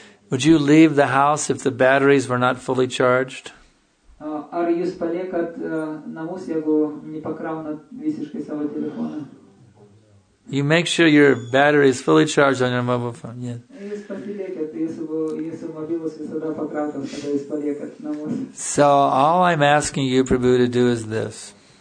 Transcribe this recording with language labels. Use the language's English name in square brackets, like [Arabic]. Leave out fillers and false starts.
[English] Would you leave the house if the batteries were not fully charged? [Lithuanian] Ar jūs paliekat namus, jeigu nepakraunat visiškai savo telefoną? [English] You make sure your battery is fully charged on your mobile phone. Yes. [Lithuanian] Jūs pasiliekat, jūsų mobilus visada pakrautas, kada jūs paliekat namus. [English] So all I'm asking you, Prabhu, to do is this.